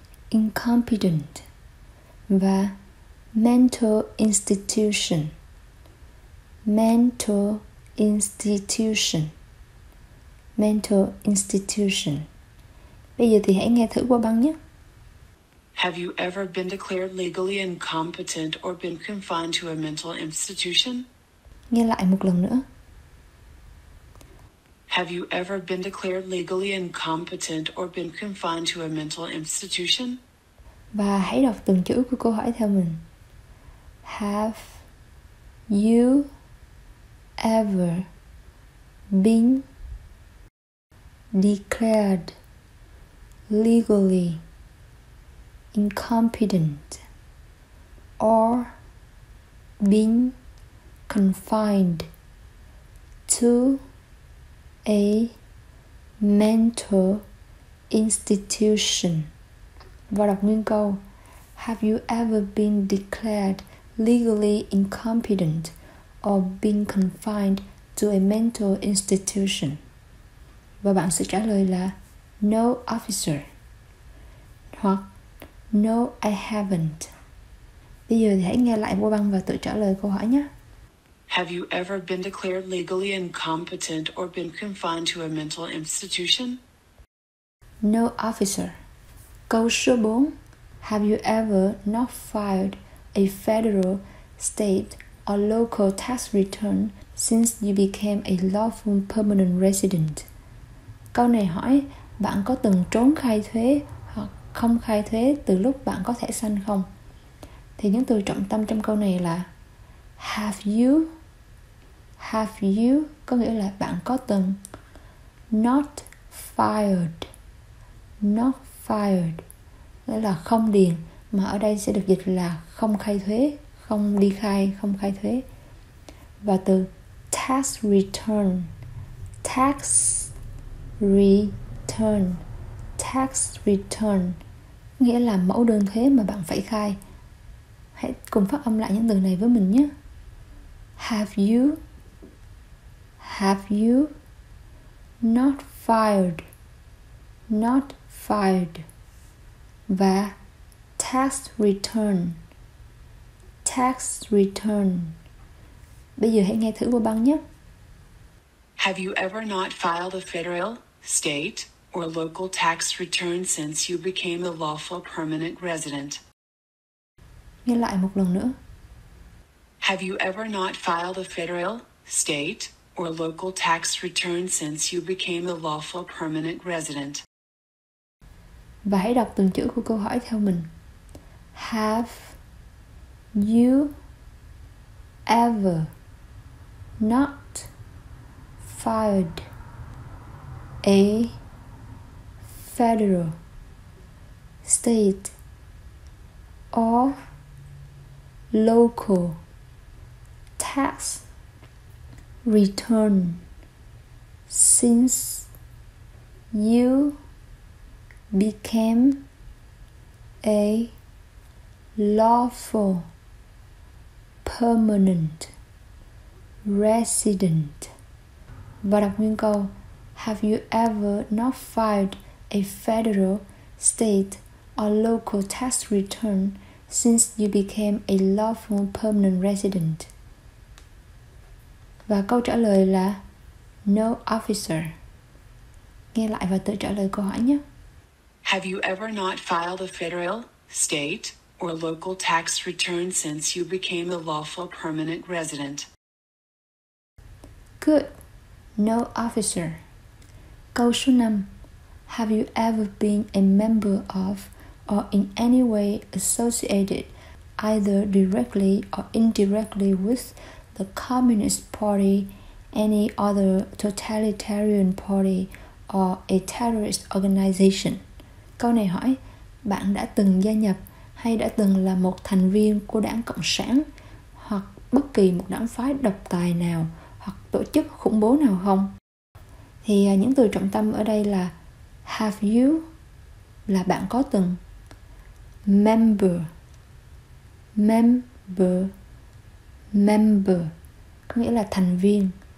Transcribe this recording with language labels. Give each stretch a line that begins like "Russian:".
English: incompetent và mental institution. Mental institution. Mental institution.
Vietnamese: Bây giờ thì hãy nghe thử qua băng nhé.
English: Have you ever been declared legally incompetent or been confined to a mental institution?
Vietnamese: Nghe lại một lần nữa.
English: Have you ever been declared legally incompetent or been confined to a mental institution?
Vietnamese: Và hãy đọc từng chữ của câu hỏi theo mình.
English: Have you ever been declared legally incompetent or been confined to a mental institution?
Vietnamese: Và đọc nguyên câu.
English: Have you ever been declared legally incompetent or been confined to a mental institution?
Vietnamese: Và bạn sẽ trả lời là
English: no, officer.
Vietnamese: Hoặc
English: no, I haven't.
Vietnamese: Bây giờ thì hãy nghe lại vô băng và tự trả lời câu hỏi nhé.
English: Have you ever been declared legally incompetent or been confined to a mental institution? No, officer.
Vietnamese: Câu số 4.
English: Have you ever not filed a federal, state, or local tax return since you became a lawful permanent resident?
Vietnamese: Câu này hỏi bạn có từng trốn khai thuế hoặc không khai thuế từ lúc bạn có thẻ xanh không? Thì những từ trọng tâm trong câu này là
English: have you. Have you
Vietnamese: có nghĩa là bạn có từng.
English: Not filed. Not filed
Vietnamese: nghĩa là không điền, mà ở đây sẽ được dịch là không khai thuế, không đi khai, không khai thuế. Và từ tax return. Tax return. Tax return nghĩa là mẫu đơn thuế mà bạn phải khai. Hãy cùng phát âm lại những từ này với mình nhé.
English: Have you. Have you not filed. Not filed. Và tax return. Tax return.
Vietnamese: Bây giờ hãy nghe thử qua băng nhé.
English: Have you ever not filed a federal, state, or local tax return since you became a lawful permanent resident?
Vietnamese: Nghe lại một lần nữa.
English: Have you ever not filed a federal, state, or local tax return since you became a lawful permanent resident?
Vietnamese: Và hãy đọc từng chữ của câu hỏi theo mình.
English: Have you ever not filed a federal, state, or local tax return since you became a lawful permanent resident?
Vietnamese: Và đọc nguyên câu.
English: Have you ever not filed a federal, state, or local tax return since you became a lawful permanent resident?
Vietnamese: Và câu trả lời là
English: no, officer.
Vietnamese: Nghe lại và tự trả lời câu hỏi nhé.
English: Have you ever not filed a federal, state, or local tax return since you became a lawful permanent resident? Good. No, officer.
Vietnamese: Câu số 5.
English: Have you ever been a member of or in any way associated either directly or indirectly with the Communist Party, any other totalitarian party, or a terrorist organization?
Vietnamese: Câu này hỏi bạn đã từng gia nhập hay đã từng là một thành viên của đảng Cộng sản hoặc bất kỳ một đảng phái độc tài nào hoặc tổ chức khủng bố nào không? Thì những từ trọng tâm ở đây là
English: have you
Vietnamese: là bạn có từng, member, member, member có nghĩa là thành viên.